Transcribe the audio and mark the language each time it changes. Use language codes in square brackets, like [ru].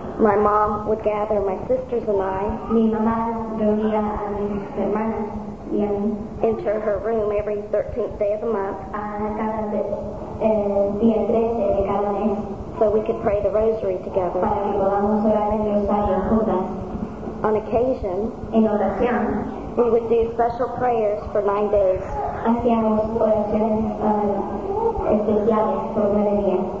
[en] My mom would gather my sisters and I. [es] Mi mamá reunía a mis hermanas y a mí. [en] Into her room every 13th day of the month. [es] A cada día 13 de cada mes. [en] So we could pray the rosary together. [es] Para que podamos orar el rosario juntas. [en] On occasion, [es] en oración, [en] we would do special prayers for 9 days. [es] Hacíamos oraciones especiales por 9 días.